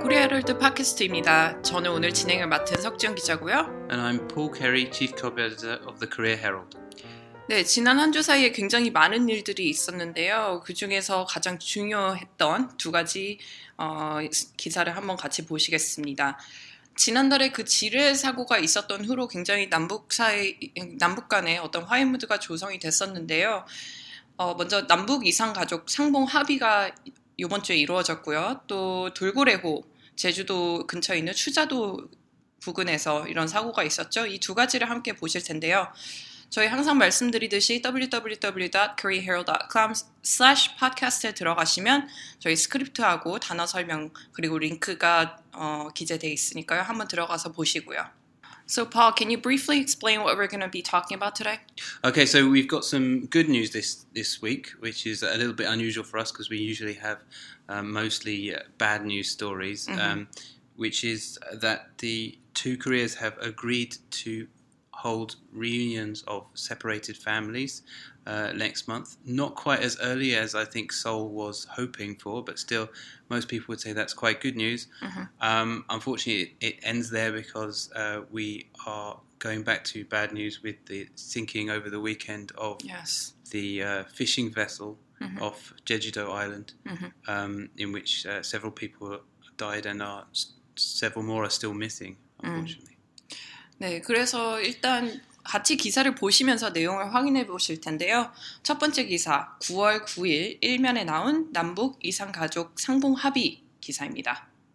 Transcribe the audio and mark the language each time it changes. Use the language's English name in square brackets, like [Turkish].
[Korean] 코리아럴드 팟캐스트입니다. 저는 오늘 진행을 맡은 석지영 기자고요. [English] And I'm Paul Carey, Chief Co-Editor of the Korea Herald. [Korean] 네, 지난 한 주 사이에 굉장히 많은 일들이 있었는데요. 그 중에서 가장 중요했던 두 가지 기사를 한번 같이 보시겠습니다. 지난달에 그 지뢰 사고가 있었던 후로 굉장히 남북 간의 어떤 화해 무드가 조성이 됐었는데요. 먼저 남북 이산가족 상봉 합의가 이번 주에 이루어졌고요. 또 돌고래호 제주도 근처에 있는 추자도 부근에서 이런 사고가 있었죠. 이 두 가지를 함께 보실 텐데요. 저희 항상 말씀드리듯이 www.koreaherald.com/podcast에 들어가시면 저희 스크립트하고 단어 설명 그리고 링크가 기재되어 있으니까요. 한번 들어가서 보시고요. [English] So Paul, can you briefly explain what we're going to be talking about today? Okay, so we've got some good news this week, which is a little bit unusual for us because we usually have mostly bad news stories, which is that the two Koreas have agreed to hold reunions of separated families next month. Not quite as early as I think Seoul was hoping for, but still most people would say that's quite good news. Mm-hmm. Unfortunately, it ends there because we are going back to bad news with the sinking over the weekend of the fishing vessel off Jeju-do Island, in which several people died and several more are still missing, unfortunately. [Korean] 네, 그래서 일단 같이 기사를 보시면서 내용을 확인해 보실 텐데요. 첫 번째 기사, 9월 9일 1면에 나온 남북 이산가족 상봉 합의 기사입니다.